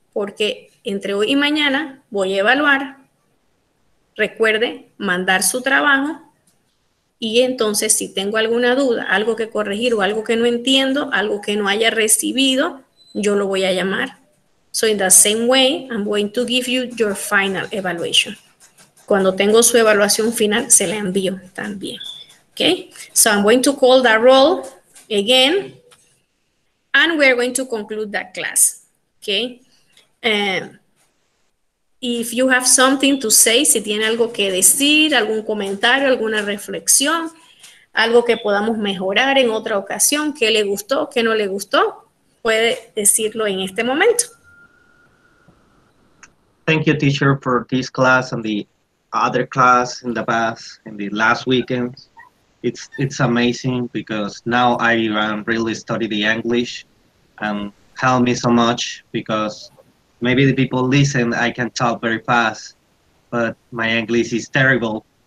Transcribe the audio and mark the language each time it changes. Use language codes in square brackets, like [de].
[es] Porque entre hoy y mañana voy a evaluar. Recuerde mandar su trabajo. Y entonces, si tengo alguna duda, algo que corregir o algo que no entiendo, algo que no haya recibido, yo lo voy a llamar. [en] So in the same way, I'm going to give you your final evaluation. [es] Cuando tengo su evaluación final, se la envío también. [en] Okay, so I'm going to call the roll again, and we're going to conclude that class. Okay, if you have something to say, [es] si tiene algo que decir, algún comentario, alguna reflexión, algo que podamos mejorar en otra ocasión, qué le gustó, qué no le gustó, puede decirlo en este momento. [en] Thank you, teacher, for this class and the other class in the past, in the last weekend. It's amazing, because now I really study the English and help me so much, because maybe the people listen, I can talk very fast, but my English is terrible.